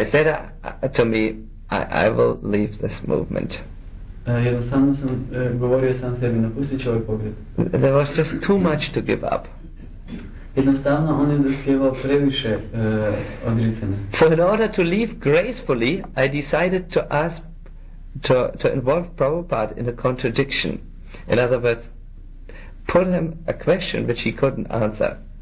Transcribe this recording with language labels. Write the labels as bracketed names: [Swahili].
[English] I said to me, I will leave this movement. [Croatian] Jednostavno sam govorio sam sebi, napustit ću ovaj pokret. [English] There was just too much to give up. [Croatian] Jednostavno on je zahtijevao previše odricanja. [English] So in order to leave gracefully, I decided to ask to involve Prabhupada in a contradiction. In other words, put him a question which he couldn't answer.